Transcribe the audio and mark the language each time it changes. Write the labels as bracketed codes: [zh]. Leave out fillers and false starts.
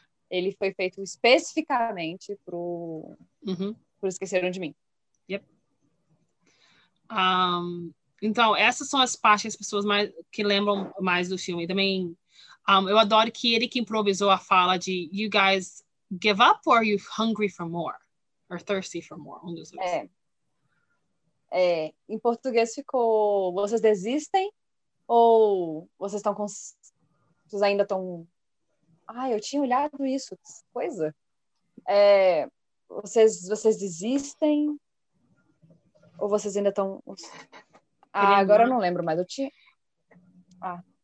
[pt] Ele foi feito especificamente pro Esqueceram de Mim. [en] Yep. [pt] Então, essas são as partes que as pessoas mais que lembram mais do filme. Também, eu adoro que ele que improvisou a fala de [en] You guys give up or are you hungry for more? Or thirsty for more? [pt] Um dos dois. É, em português ficou, vocês desistem ou vocês estão com, vocês ainda estão, ah, eu tinha olhado isso, coisa, é, vocês desistem ou vocês ainda estão, ah, agora eu não lembro, mas eu tinha, ah,